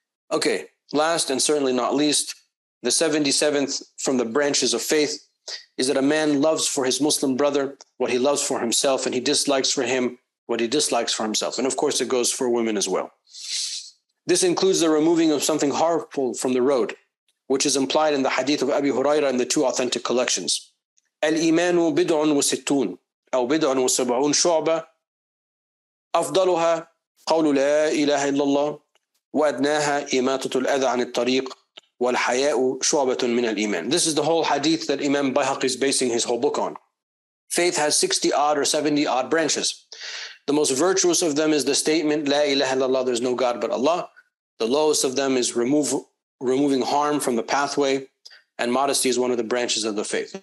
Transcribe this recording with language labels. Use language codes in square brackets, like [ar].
[en] Okay, last and certainly not least, the 77th from the branches of faith is that a man loves for his Muslim brother what he loves for himself, and he dislikes for him what he dislikes for himself. And of course, it goes for women as well. This includes the removing of something harmful from the road, which is implied in the hadith of Abi Huraira in the two authentic collections. [ar] Al-imanu bid'un wa sittun, aw bid'un wa sab'un shu'ba. أفضلها قول لا إله إلا الله وأدناها إماتة الأذى عن الطريق والحياء شعبة من الإيمان. [en] This is the whole hadith that Imam Bayhaqi is basing his whole book on. Faith has 60 odd or 70 odd branches. The most virtuous of them is the statement [ar] لا إله إلا الله, [en] there's no God but Allah. The lowest of them is removing harm from the pathway, and modesty is one of the branches of the faith.